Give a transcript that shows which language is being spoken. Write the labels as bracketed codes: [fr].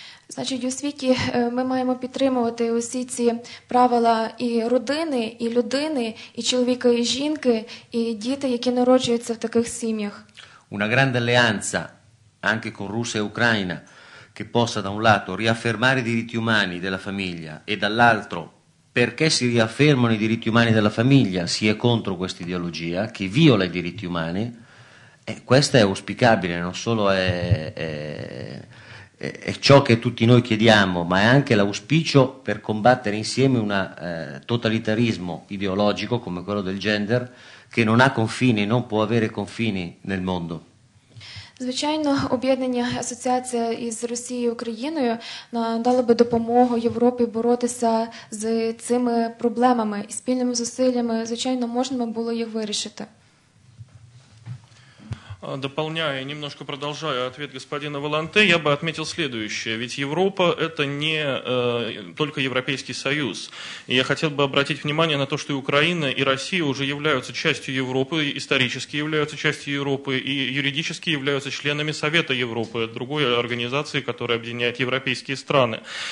[uk] Значить, у світі ми маємо підтримувати усі ці правила і родини, і людини, і чоловіка, і жінки, і діти, які народжуються в таких сім'ях. [it] Una grande alleanza anche con Russia e Ucraina, che possa da un lato riaffermare i diritti umani della famiglia e dall'altro, perché si riaffermano i diritti umani della famiglia, si è contro questa ideologia che viola i diritti umani, questa è auspicabile, non solo è ciò che tutti noi chiediamo, ma è anche l'auspicio per combattere insieme un totalitarismo ideologico come quello del gender, che non ha confini, non può avere confini nel mondo. [uk] Звичайно, об'єднання асоціація із Росією, Україною надало би допомогу Європі боротися з цими проблемами. І спільними зусиллями, звичайно, можна було їх вирішити. [ru] Дополняя, немножко продолжая ответ господина Волонте, я бы отметил следующее. Ведь Европа – это не только Европейский Союз. И я хотел бы обратить внимание на то, что и Украина, и Россия уже являются частью Европы, исторически являются частью Европы и юридически являются членами Совета Европы, другой организации, которая объединяет европейские страны.